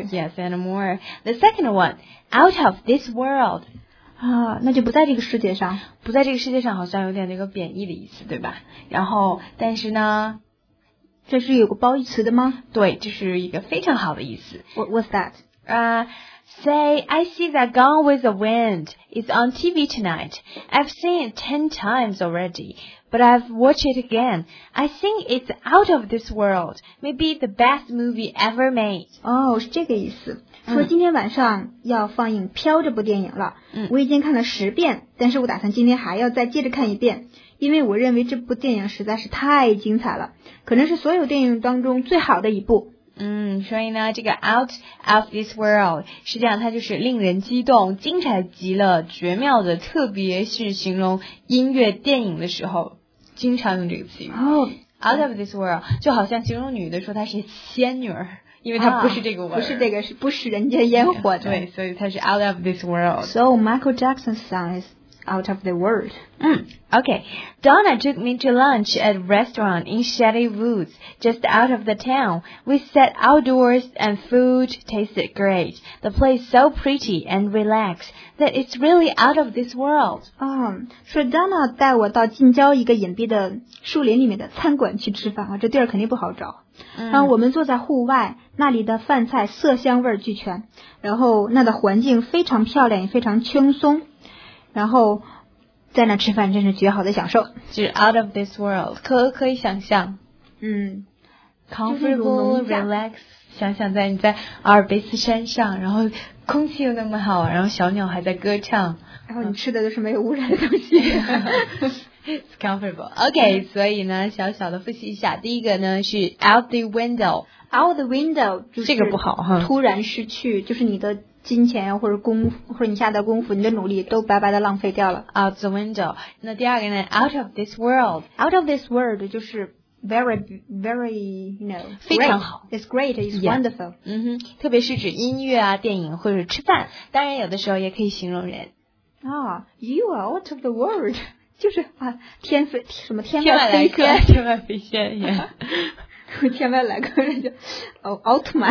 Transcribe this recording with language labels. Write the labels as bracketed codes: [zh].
[en] yes anymore。 The second one out of this world， [zh] 那就不在这个世界上。不在这个世界上好像有点那个贬义的意思，对吧？然后但是呢，这是有个褒义词的吗？对，这是一个非常好的意思。 [en] What's that? Say, I see that Gone with the Wind is on TV tonight. I've seen it 10 times already, but I've watched it again. I think it's out of this world. Maybe the best movie ever made. [zh] 哦，是这个意思。说今天晚上要放映《飘》这部电影了。我已经看了10遍，但是我打算今天还要再接着看一遍，因为我认为这部电影实在是太精彩了，可能是所有电影当中最好的一部。所以呢这个 out of this world 实际上它就是令人激动精彩极了绝妙的特别是形容音乐电影的时候经常用这个词语、out of this world 就好像形容女的说她是仙女因为她不是这个 world、不是这个是不食人间烟火的对所以它是 out of this world [en] So Michael Jackson's song isOut of the world. Okay. Donna took me to lunch at a restaurant in Shady Woods, just out of the town. We sat outdoors and food tasted great. The place so pretty and relaxed that it's really out of this world. [zh] So Donna 带我到近郊一个隐蔽的树林里面的餐馆去吃饭啊，这地儿肯定不好找。然后我们坐在户外，那里的饭菜色香味俱全，然后那的环境非常漂亮，也非常轻松。然后在那吃饭真是绝好的享受就是 out of this world 可以想象 [en] comfortable relax [zh] 想想在你在阿尔卑斯山上然后空气又那么好然后小鸟还在歌唱然后你吃的都是没有污染的东西 [en] It's comfortable okay, [zh] 所以呢小小的复习一下第一个呢是 out the window out the window 就是这个不好哈突然失去就是你的金钱或者功夫或者你下的功夫你的努力都白白的浪费掉了 out the window 那第二个呢 out of this world [en] out of this world [zh] 就是 [en] very very you know [zh] 非常好 [en] it's great it's wonderful、 yeah. [zh] 特别是指音乐啊电影或者吃饭当然有的时候也可以形容人 [en] 啊、oh, you are out of the world [zh] 就是啊天飞什么天外飞仙天外飞仙呀天外来客人叫奥特曼